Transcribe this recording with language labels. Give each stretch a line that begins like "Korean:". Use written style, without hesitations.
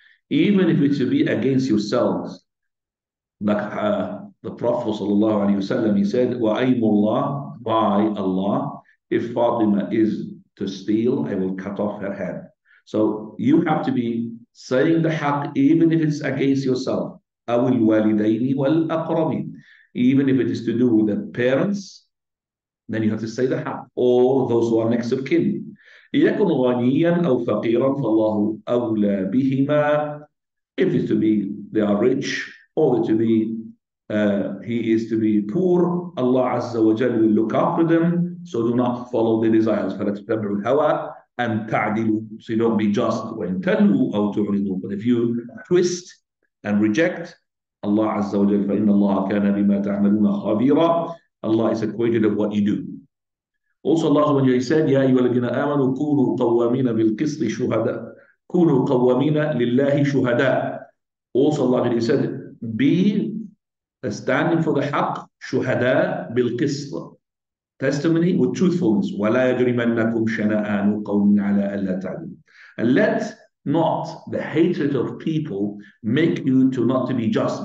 English: Even if it should be against yourselves. Like the Prophet صلى الله عليه وسلم, he said,
Arabic: وأيم الله,
English: by Allah, if Fatima is to steal, I will cut off her head. So you have to be saying the haq, even if it's against yourself.
Arabic: أو الوالدين والأقربين.
English: Even if it is to do with the parents, then you have to say the haq. Or those who are next of kin.
Arabic: يكن غنيا أو فقيرا فالله أولى بهما.
English: If it's to be they are rich, or to be he is to be poor, Allah Azza wa Jalla will look after them. So do not follow the desires.
Arabic: فَلَتَتَبْعُ الْهَوَىٰ أَنْ تَعْدِلُوا.
English: So you don't be just.
Arabic: وَإِنْ تَلُوا أَوْ تُعْرِضُوا.
English: But if you twist and reject, Allah Azza wa Jalla,
Arabic: فَإِنَّ اللَّهَ كَانَ بِمَا تَعْمَلُونَ خَبِيرًا.
English: Allah is acquainted of what you do. Also Allah Azza wa Jalla said,
Arabic: يَا أَيُّهَا الَّذِينَ آمَنُوا كُونُوا قَوَّامِينَ بِالْقِسْطِ شُهَدَاءَ. كُونُوا قَوَّامِينَ لِلَّهِ شُهَدَاءَ.
English: Also Allah Azza wa Jalla said, be standing for the haqq,
Arabic: شُهَدَاء بِالْقِسْطِ.
English: Testimony with truthfulness.
Arabic: وَلَا يَجْرِمَنَّكُمْ شَنَآنُ قَوْمٍ عَلَىٰ أَلَّا تَعْدِلُوا.
English: And let not the hatred of people make you to not to be just.